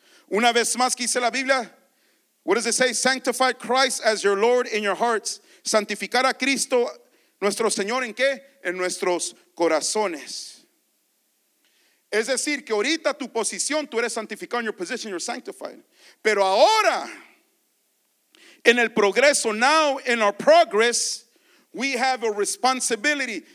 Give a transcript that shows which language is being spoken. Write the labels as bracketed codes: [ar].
[es] Una vez más, ¿qué dice la Biblia? [en] What does it say? Sanctify Christ as your Lord in your hearts. [es] Santificar a Cristo, nuestro Señor, ¿en qué? En nuestros corazones. Es decir, que ahorita tu posición, tú eres santificado, [en] in your position, you're sanctified. [es] Pero ahora, en el progreso, [en] now in our progress, we have a responsibility.